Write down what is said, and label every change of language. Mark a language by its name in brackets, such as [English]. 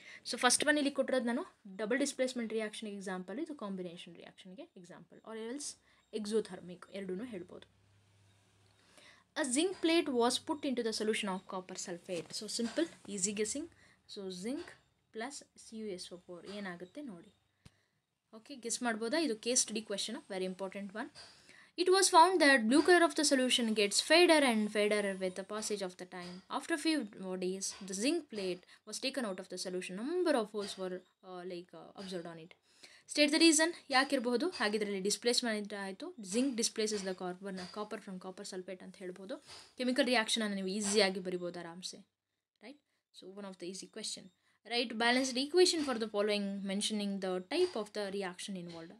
[Kannada] So first one ಇಲ್ಲಿ ಕೊಟ್ಟಿರೋದು ನಾನು ಡಬಲ್ ಡಿಸ್ಪ್ಲೇಸ್ಮೆಂಟ್ ರಿಯಾಕ್ಷನ್ಗೆ ಎಕ್ಸಾಂಪಲ್, ಇದು combination ರಿಯಾಕ್ಷನ್ಗೆ example, [English] or else exothermic, [Kannada] ಎರಡೂ ಹೇಳ್ಬೋದು. [English] A zinc plate was put into the solution of copper sulphate. So simple, easy guessing. [Kannada] So zinc plus C U S O four ಏನಾಗುತ್ತೆ ನೋಡಿ. Okay, guess ಮಾಡ್ಬೋದಾ? ಇದು case study question, [English] Very important one. It was found that blue color of the solution gets fader and fader with the passage of the time. After a few days, the zinc plate was taken out of the solution. Number of holes were observed on it. State the reason. [Kannada] ಯಾಕೆ ಇರಬಹುದು ಹಾಗಿದ್ರಲ್ಲಿ displacement ಆಯಿತು. [English] zinc displaces the carbon copper from copper sulphate [Kannada] ಅಂತ ಹೇಳ್ಬೋದು. Chemical reaction ಅನ್ನು ನೀವು ಈಸಿಯಾಗಿ ಬರಿಬೋದು ಆರಾಮ್ಸೆ. [English] Right, so one of the easy question. Right, balanced equation for the following mentioning the type of the reaction involve.